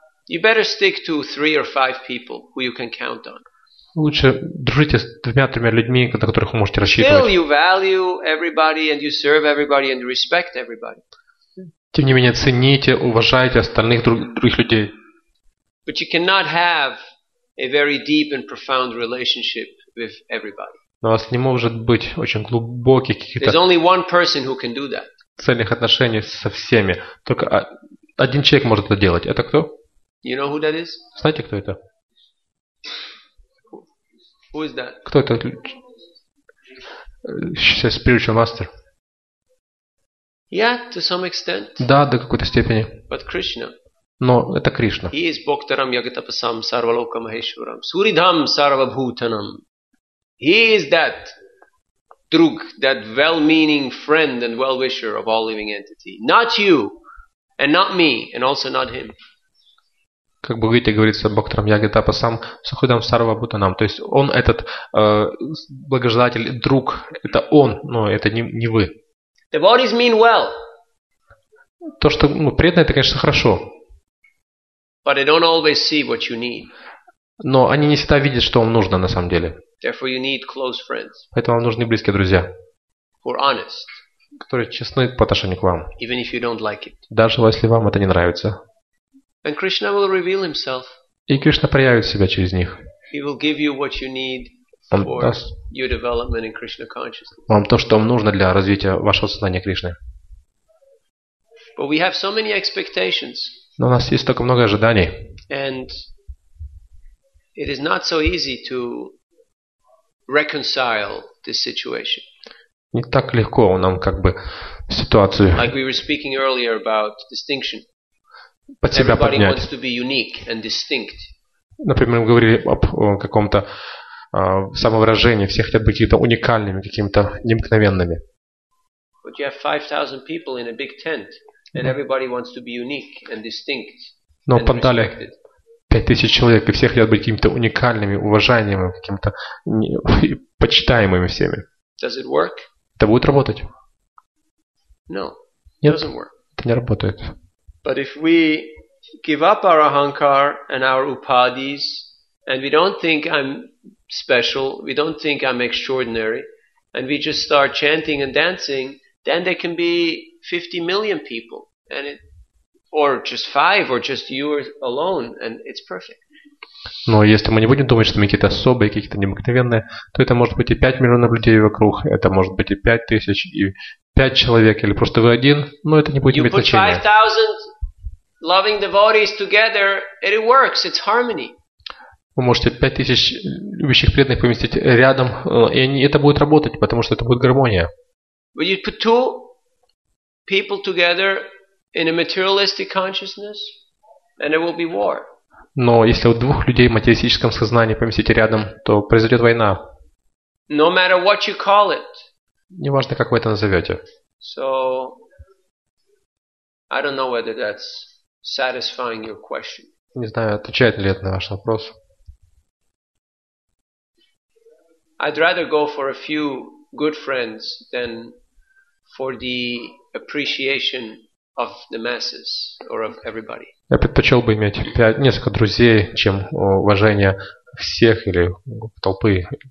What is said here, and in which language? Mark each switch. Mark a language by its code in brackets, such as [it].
[en] You better stick to 3 or 5 people who you can count on. [ru] Лучше дружите с 2-3 людьми, на которых вы можете рассчитывать. [en] Still, you value everybody and you serve everybody and respect everybody. [ru] Тем не менее, цените, уважайте остальных других людей. [en] But you cannot have a very deep and profound relationship with everybody. [ru] Но у вас не может быть очень глубоких каких-то. [en] There's only one person who can do that. [ru] Цельных отношений со всеми. Только один человек может это делать. Это кто? [en] You know who that is? [ru] Знаете, кто это? [en] Who is that? [ru] Кто это? [en] She says spiritual master. Yeah, to some extent. [ru] Да, до какой-то степени. [en] But Krishna. [ru] Но это Кришна. [en] He is [sa] Bhaktaram Yagatapasam Sarvaloka Maheshwaram Suridham Sarvabhutanam. [en] He is that Drug, that well-meaning friend and well-wisher of all living entity. Not you, and not me, and also not him. [ru] Как бы Гита говорится, [sa] Бхактарам Ягатапасам Сахудам Сарвабутанам. [ru] То есть он этот благожелатель, друг, это он, но это не вы. [en] Devotees mean well. [ru] То, что мы преданы, это, конечно, хорошо. [en] But they don't always see what you need. [ru] Но они не всегда видят, что вам нужно на самом деле. [en] Therefore, you need close friends. [ru] Поэтому вам нужны близкие друзья. [en] Who are honest. [ru] Которые честны по отношению к вам. [en] Even if you don't like it. [ru] Даже если вам это не нравится. [en] And Krishna will reveal himself. [ru] И Кришна проявит себя через них. [en] He will give you what you need for your development in Krishna consciousness. [ru] Вам то, что вам нужно для развития вашего сознания Кришны. [en] But we have so many expectations. [ru] Но у нас есть столько много ожиданий. [en] And it is not so easy to reconcile this situation. [ru] Не так легко нам как бы ситуацию. [en] Like we were speaking earlier about distinction. [ru] Под себя [en] Everybody [ru] поднять. [en] Wants to be unique and distinct. [ru] Например, мы говорили об каком-то самовыражении. Все хотят быть какими-то уникальными, какими-то необыкновенными. [en] But you have 5,000 people in a big tent, and everybody wants to be unique and distinct. [ru] Но подали 5,000 человек, и все хотят быть какими-то уникальными, уважаемыми, каким-то почитаемыми всеми. [en] Does it work? [ru] Это будет работать? [en] No, [ru] нет, [en] it doesn't work. [ru] Это не работает. [en] But if we give up our ahankar and our upadis, and we don't think I'm special, we don't think I'm extraordinary, and we just start chanting and dancing, then there can be 50 million people, and it or just 5, or just you alone, and it's perfect. [ru] Но если мы не будем думать, что мы какие-то особые, какие-то необыкновенные, то это может быть и 5 миллионов людей вокруг, это может быть и 5 тысяч, и 5 человек, или просто вы один, но это не будет [en] you [ru] иметь значения. [en] You put 5,000 loving devotees together, and it works, it's harmony. [ru] Вы можете 5,000 любящих преданных поместить рядом, и это будет работать, потому что это будет гармония. [en] But you put 2 people together in a materialistic consciousness, and there will be war. [ru] Но если вот двух людей в материалистическом сознании поместить рядом, то произойдет война. [en] No matter what you call it. [ru] Не важно, как вы это назовете. [en] So, I don't know whether that's satisfying your question. [ru] Не знаю, отвечает ли это на ваш вопрос. [en] I'd rather go for a few good friends than for the appreciation of the masses or of everybody. [ru] Я предпочел бы иметь несколько друзей, чем уважение всех или толпы.